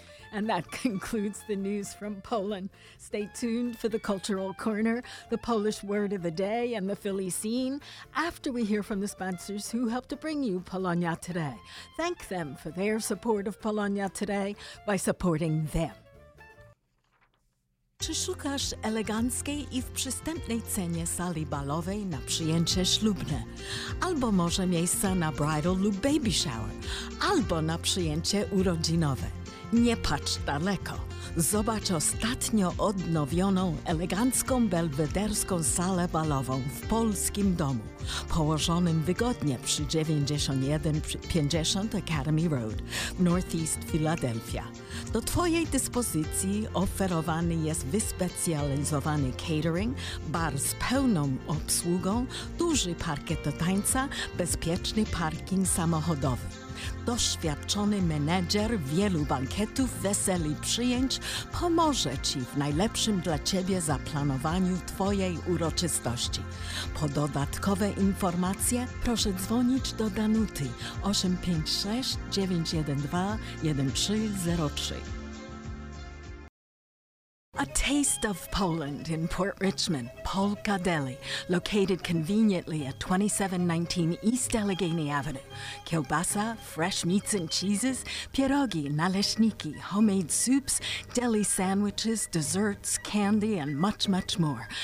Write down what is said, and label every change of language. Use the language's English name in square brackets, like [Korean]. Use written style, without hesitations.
[English] And that concludes the news from Poland. Stay tuned for the Cultural Corner, the Polish Word of the Day, and the Philly Scene after we hear from the sponsors who helped to bring you Polonia Today. Thank them for their support of Polonia Today by supporting them. [Polish] Czy szukasz eleganckiej i w przystępnej cenie sali balowej na przyjęcie ślubne? Albo może miejsca na [English] bridal [Polish] lub baby shower? Albo na przyjęcie urodzinowe? Nie patrz daleko. Zobacz ostatnio odnowioną, elegancką, belwederską salę balową w polskim domu, położonym wygodnie przy 9150 Academy Road, Northeast Philadelphia. Do Twojej dyspozycji oferowany jest wyspecjalizowany catering, bar z pełną obsługą, duży parkiet do tańca, bezpieczny parking samochodowy. Doświadczony menedżer wielu bankietów, wesel i przyjęć pomoże Ci w najlepszym dla Ciebie zaplanowaniu Twojej uroczystości. Po dodatkowe informacje proszę dzwonić do Danuty 856-912-1303. [English] A taste of Poland in Port Richmond, Polka Deli, located conveniently at 2719 East Allegheny Avenue. Kielbasa, fresh meats and cheeses, pierogi, naleśniki, homemade soups, deli sandwiches, desserts, candy, and much, much more.